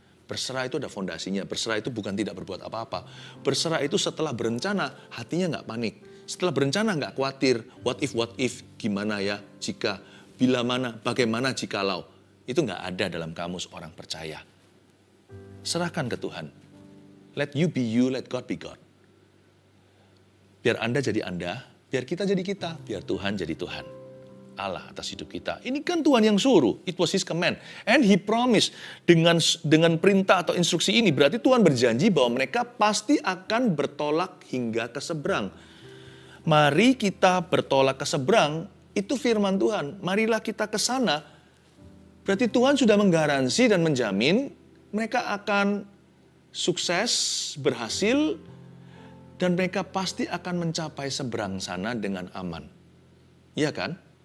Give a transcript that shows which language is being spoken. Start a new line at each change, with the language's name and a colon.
Indonesian: Berserah itu ada fondasinya. Berserah itu bukan tidak berbuat apa-apa. Berserah itu setelah berencana, hatinya nggak panik. Setelah berencana, nggak khawatir.
English: What if,
Indonesian: gimana ya, jika, bila mana, bagaimana, jikalau. Itu nggak ada dalam kamus orang percaya. Serahkan ke Tuhan.
English: Let you be you, let God be God.
Indonesian: Biar Anda jadi Anda, biar kita jadi kita, biar Tuhan jadi Tuhan. Allah atas hidup kita. Ini kan Tuhan yang suruh,
English: it was his command. And he promised,
Indonesian: dengan perintah atau instruksi ini, berarti Tuhan berjanji bahwa mereka pasti akan bertolak hingga ke seberang. Mari kita bertolak ke seberang, itu firman Tuhan. Marilah kita ke sana, berarti Tuhan sudah menggaransi dan menjamin mereka akan sukses, berhasil, dan mereka pasti akan mencapai seberang sana dengan aman. Iya kan?